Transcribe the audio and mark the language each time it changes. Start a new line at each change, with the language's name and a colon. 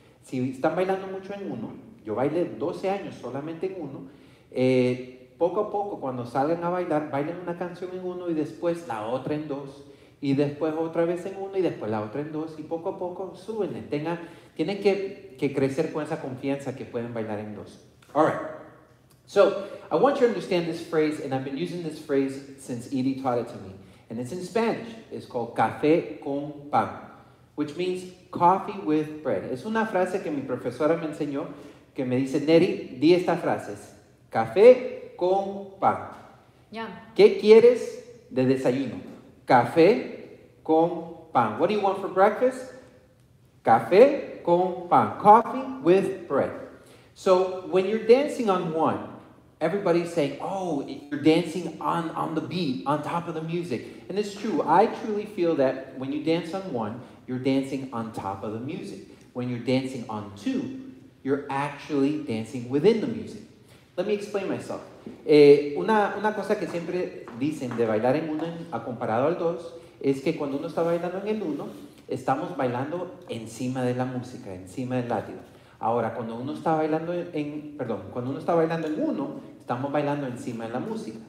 Spanish: Si están bailando mucho en 1, yo bailé 12 años solamente en 1, poco a poco, cuando salgan a bailar, bailen una canción en 1 y después la otra en 2. Y después otra vez en 1 y después la otra en 2. Y poco a poco, súbenle. Tienen que crecer con esa confianza que pueden bailar en 2.
English: Alright. So, I want you to understand this phrase, and I've been using this phrase since Edie taught it to me. And it's in Spanish. It's called
Spanish: café con pan,
English: which means coffee with bread.
Spanish: Es una frase que mi profesora me enseñó, que me dice, Nery, di esta frase. Café con pan.
English: Yeah.
Spanish: ¿Qué quieres de desayuno? Café con pan.
English: What do you want for breakfast?
Spanish: Café con pan.
English: Coffee with bread. So when you're dancing on one, everybody's saying, oh, you're dancing on the beat, on top of the music. And it's true. I truly feel that when you dance on one, you're dancing on top of the music. When you're dancing on two, you're actually dancing within the music. Let me explain myself.
Spanish: Una cosa que siempre dicen de bailar en uno a comparado al dos es que cuando uno está bailando en el uno, estamos bailando encima de la música, encima del látigo. Ahora, cuando uno está bailando en uno, estamos bailando encima de la música.